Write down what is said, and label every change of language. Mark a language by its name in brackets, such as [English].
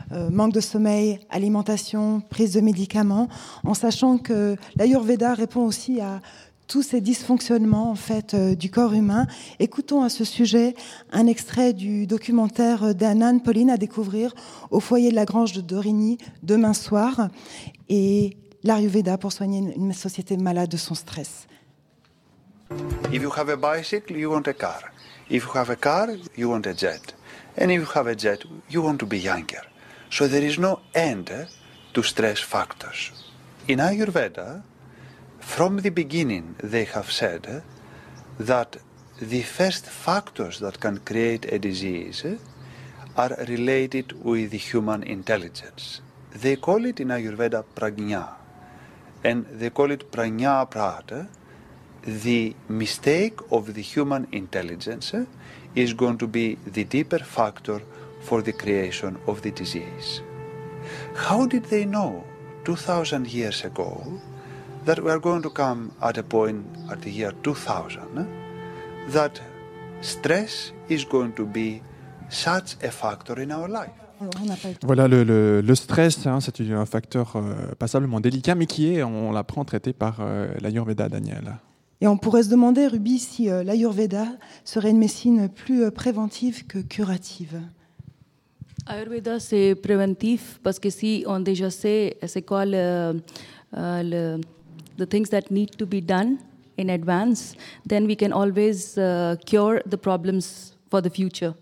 [French] Manque de sommeil, alimentation, prise de médicaments, en sachant que l'Ayurveda répond aussi à tous ces dysfonctionnements en fait, du corps humain. Écoutons à ce sujet un extrait du documentaire d'Anand Pauline à découvrir au foyer de la Grange de Dorigny demain soir et l'Ayurveda pour soigner une société malade de son stress. [English] If you have a bicycle, you want a car. If you have a car, you want a jet. And if you have a jet, you want to be younger. So there is no end to stress factors. In Ayurveda, from the beginning, they have said that the first factors that can create a disease are related with the human intelligence. They call it in Ayurveda prajna, and they call it prajna prata. The mistake of the human intelligence is going to be the deeper factor for the creation of the disease. How did they know 2,000 years ago that we are going to come at a point at the year 2000 that stress is going to be such a factor in our life. [French] Voilà, le stress, hein, c'est un facteur passablement délicat, mais qui est, on l'apprend, traité par l'Ayurveda, Daniel. Et on pourrait se demander, Ruby, si l'Ayurveda serait une médecine plus préventive que curative. [English] Ayurveda, c'est préventif, parce que si on déjà sait c'est quoi le the things that need to be done in advance, then we can always cure the problems for the future.